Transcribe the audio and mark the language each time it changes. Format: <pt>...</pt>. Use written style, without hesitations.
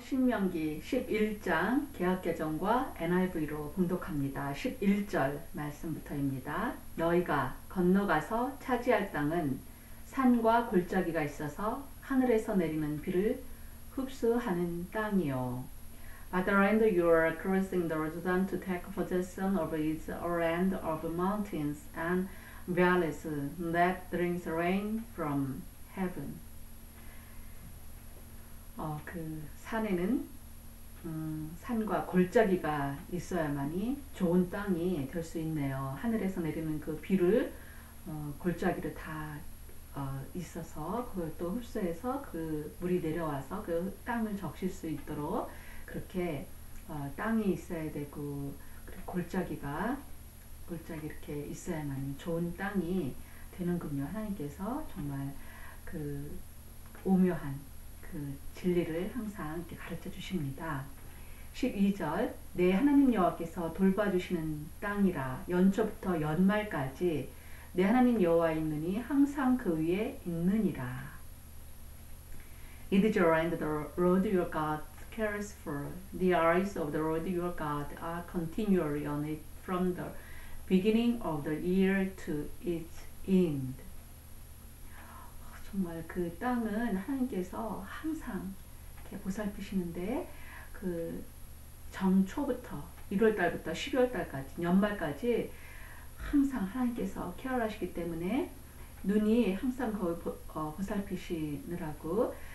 <ko>신명기 11장 개역개정과 NIV로 봉독합니다. 11절 말씀부터입니다. 너희가 건너가서 차지할 땅은 산과 골짜기가 있어서 하늘에서 내리는 비를 흡수하는 땅이요.</ko> <en>At the end you are crossing the Jordan to take possession of its land of mountains and valleys that drinks rain from heaven.</en> <ko>그 산에는 산과 골짜기가 있어야만이 좋은 땅이 될 수 있네요. 하늘에서 내리는 그 비를 골짜기를 다 있어서 그걸 또 흡수해서 그 물이 내려와서 그 땅을 적실 수 있도록 그렇게 땅이 있어야 되고 그리고 골짜기 이렇게 있어야만 좋은 땅이 되는군요. 하나님께서 정말 그 오묘한 그 진리를 항상 이렇게 가르쳐 주십니다. 12절 내 하나님 여호와께서 돌봐주시는 땅이라 연초부터 연말까지 내 하나님 여호와 있느니 항상 그 위에 있느니라.</ko> <en>It is your land, the Lord your God cares for. The eyes of the Lord your God are continually on it from the beginning of the year to its end.</en> <ko>정말 그 땅은 하나님께서 항상 이렇게 보살피시는데 그 정초부터 1월달부터 12월달까지 연말까지 항상 하나님께서 케어하시기 때문에 눈이 항상 거의 보살피시느라고</ko>